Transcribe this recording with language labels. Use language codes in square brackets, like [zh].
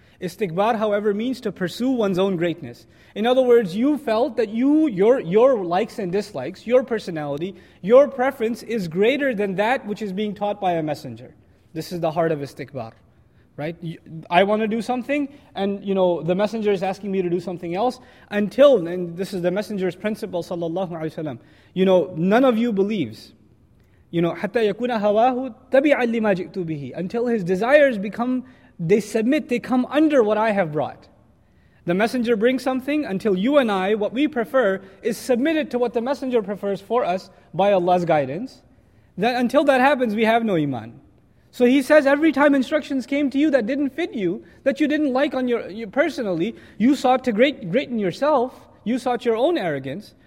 [en] Istikbar, however, means to pursue one's own greatness. In other words, you felt that your likes and dislikes, your personality, your preference is greater than that which is being taught by a messenger. This is the heart of istikbar, right? I want to do something, and you know the messenger is asking me to do something else. Until, and this is the messenger's principle, sallallahu alaihi wasallam. You know, none of you believes. You know, [ar] حَتَّى يَكُونَ هَوَاهُ تَبِعًا لِمَا جِئْتُ بِهِ. [en] Until his desires become, they submit, they come under what I have brought. The messenger brings something until you and I, what we prefer, is submitted to what the messenger prefers for us by Allah's guidance. Then until that happens, we have no iman. So he says, every time instructions came to you that didn't fit you, that you didn't like on your personally, you sought to greaten yourself, you sought your own arrogance.